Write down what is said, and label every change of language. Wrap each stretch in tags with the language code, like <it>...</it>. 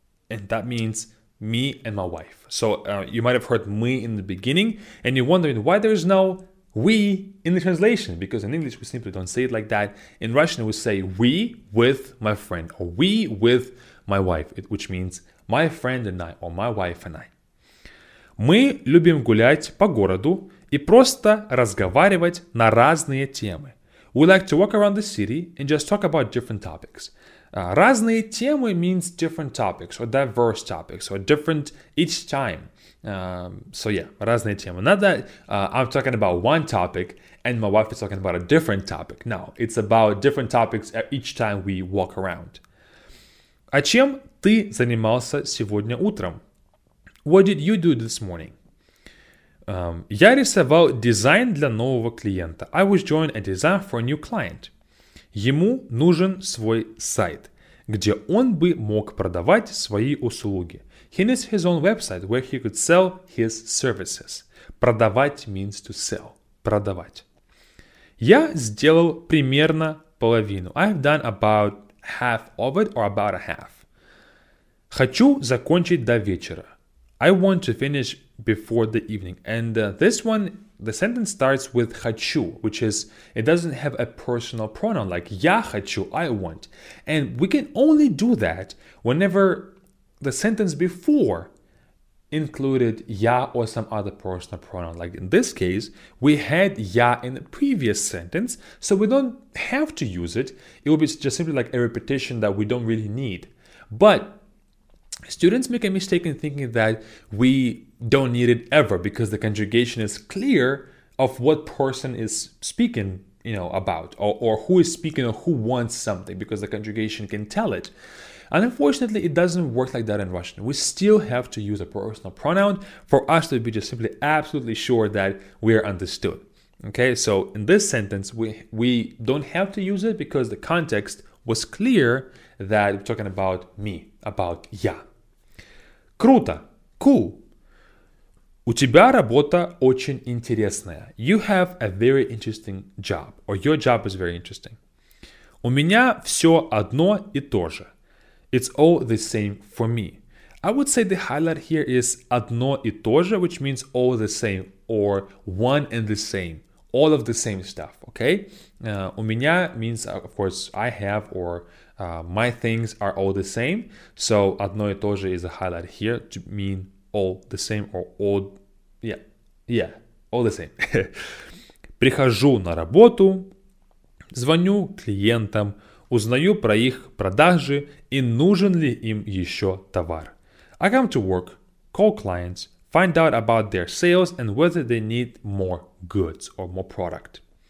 <en>And that means me and my wife. So you might have heard мы in the beginning. And you're wondering why there is no we in the translation, because in English we simply don't say it like that. In Russian we say we with my friend or we with my wife, which means my friend and I or my wife and I.</en> <ru>Мы любим гулять по городу и просто разговаривать на разные темы.</ru> <en>We like to walk around the city and just talk about different topics. Разные темы means different topics or diverse topics or different each time.</en> <ru>Разные темы.</ru> <en>Not that I'm talking about one topic and my wife is talking about a different topic. No, it's about different topics each time we walk around.</en> <ru>А чем ты занимался сегодня утром?</ru> <en>What did you do this morning?</en> <ru>Я рисовал дизайн для нового клиента.</ru> <en>I was drawing a design for a new client.</en> <ru>Ему нужен свой сайт, где он бы мог продавать свои услуги.</ru> <en>He needs his own website where he could sell his services. Продавать means to sell. Продавать.</en> <ru>Я сделал примерно половину.</ru> <en>I've done about half of it or about a half.</en> <ru>Хочу закончить до вечера.</ru> <en>I want to finish before the evening. And this one, the sentence starts with хочу, which is, it doesn't have a personal pronoun like я хочу, I want. And we can only do that whenever the sentence before included я or some other personal pronoun. Like in this case, we had я in the previous sentence, so we don't have to use it. It will be just simply like a repetition that we don't really need. But students make a mistake in thinking that we don't need it ever because the conjugation is clear of what person is speaking, you know, about or who is speaking or who wants something because the conjugation can tell it. And unfortunately, it doesn't work like that in Russian. We still have to use a personal pronoun for us to be just simply absolutely sure that we are understood. Okay, so in this sentence, we don't have to use it because the context was clear that we're talking about me, about я.</en> <ru>Круто,</ru> <en>cool.</en> <ru>У тебя работа очень интересная.</ru> <en>You have a very interesting job, or your job is very interesting.</en> <ru>У меня все одно и то же.</ru> <en>It's all the same for me. I would say the highlight here is одно и то же, which means all the same, or one and the same, all of the same stuff, okay? У меня means, of course, I have, or my things are all the same. So одно и то же is a highlight here to mean all the same or all, yeah, all the same.</en> <ru>Прихожу на работу, звоню клиентам, узнаю про их продажи и нужен ли им еще товар.</ru> <en>I come to work, call clients, find out about their sales and whether they need more goods or more product.</en>